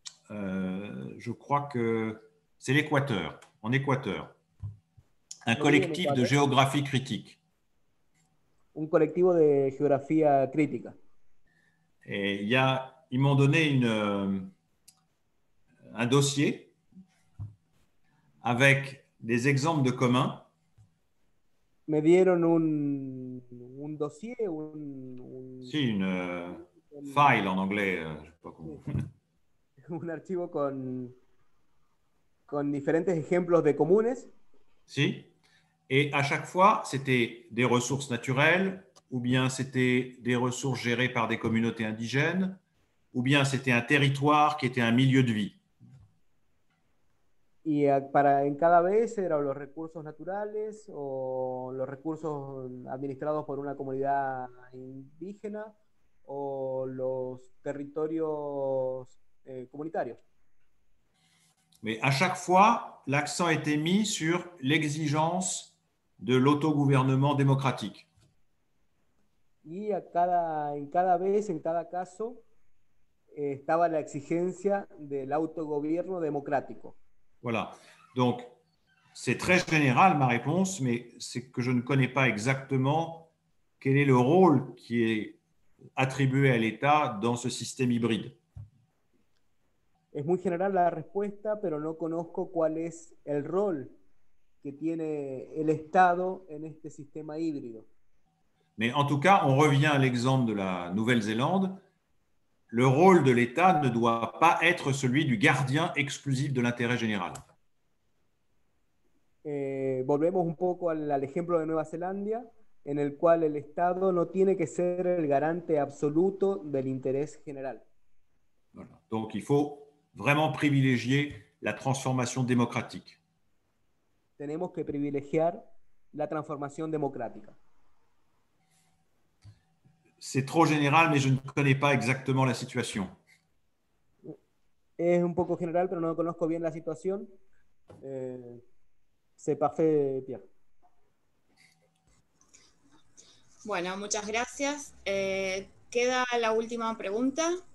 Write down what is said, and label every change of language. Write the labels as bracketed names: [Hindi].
[French] je crois que c'est l'Équateur, en Équateur. Un collectif de géographie critique. [Spanish] Un colectivo de geografía crítica. [French] Et ils m'ont donné un dossier avec des exemples de communs. [Spanish] Me dieron un dossier, un [French] file en anglais, je sais pas comment. [Spanish] un archivo con diferentes ejemplos de comunes. Sí. [French] Et à chaque fois, c'était des ressources naturelles, ou bien c'était des ressources gérées par des communautés indigènes, ou bien c'était un territoire qui était un milieu de vie. [Spanish] Y para en cada vez eran los recursos naturales o los recursos administrados por una comunidad indígena o los territorios comunitarios. [French] Mais à chaque fois, l'accent était mis sur l'exigence de l'autogouvernement démocratique. [Spanish] Y en cada vez, en cada caso, estaba la exigencia del autogobierno democrático. [French] Voilà. Donc, c'est très général ma réponse, mais c'est que je ne connais pas exactement quel est le rôle qui est attribué à l'État dans ce système hybride. [Spanish] Es muy general la respuesta, pero no conozco cuál es el rol que tiene el Estado en este sistema híbrido. [French] Mais en tout cas, on revient à l'exemple de la Nouvelle-Zélande. Le rôle de l'État ne doit pas être celui du gardien exclusif de l'intérêt général. [Spanish] Volvemos un poco al ejemplo de Nueva Zelanda, en el cual el Estado no tiene que ser el garante absoluto del interés general. [French] Voilà. Donc il faut vraiment privilégier la transformation démocratique. [Spanish] Tenemos que privilegiar la transformación democrática. [French] C'est trop général, mais je ne connais pas exactement la situation. [Spanish] Es un poco general, pero no conozco bien la situación. [French] C'est parfait, Pierre. [Spanish] Bueno, muchas gracias. Queda la última pregunta.